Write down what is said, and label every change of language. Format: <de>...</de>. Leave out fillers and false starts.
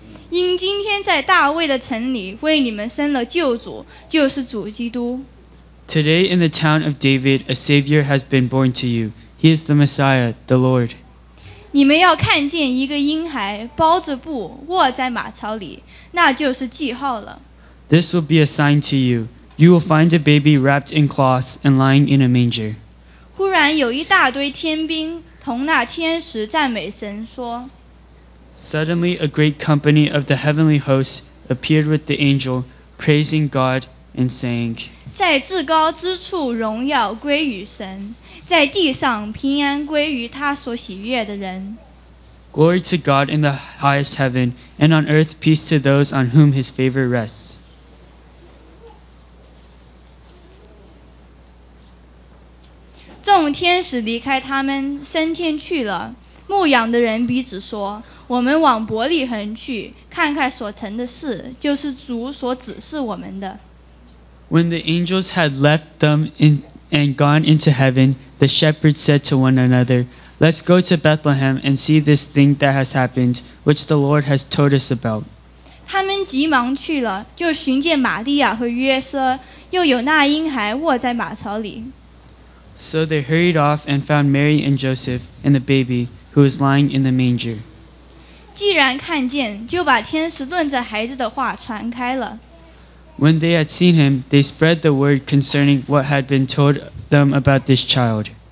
<zh>因今天在大卫的城里为你们生了救主，就是主基督。</zh> <en>Today in the town of David, a Savior has been born to you. He is the Messiah, the Lord.</en> <zh>你们要看见一个婴孩包着布卧在马槽里，那就是记号了。</zh> <en>This will be a sign to you. You will find a baby wrapped in cloths and lying in a manger.</en> <zh>忽然有一大堆天兵同那天使赞美神说</zh> <en>Suddenly a great company of the heavenly hosts appeared with the angel, praising God and saying</en> <zh>在至高之处荣耀归于神，在地上平安归于他所喜悦的人。</zh> <en>Glory to God in the highest heaven, and on earth peace to those on whom his favor rests.</en> <zh>众天使离开他们升天去了，牧羊的人彼此说，我们往伯利恒去看看所成的事，就是主所指示我们的。</zh> <en>When the angels had left them in and gone into heaven, the shepherds said to one another, Let's go to Bethlehem and see this thing that has happened, which the Lord has told us about.</en> <zh>他们急忙去了，就寻见玛利亚和约瑟，又有那婴孩卧在马槽里。</zh> <en>So they hurried off and found Mary and Joseph and the baby who was lying in the manger.</en> <zh>既然看见，就把天使论着孩子的话传开了。</zh> <en>When they had seen him, they spread the word concerning what had been told them about this child.</en>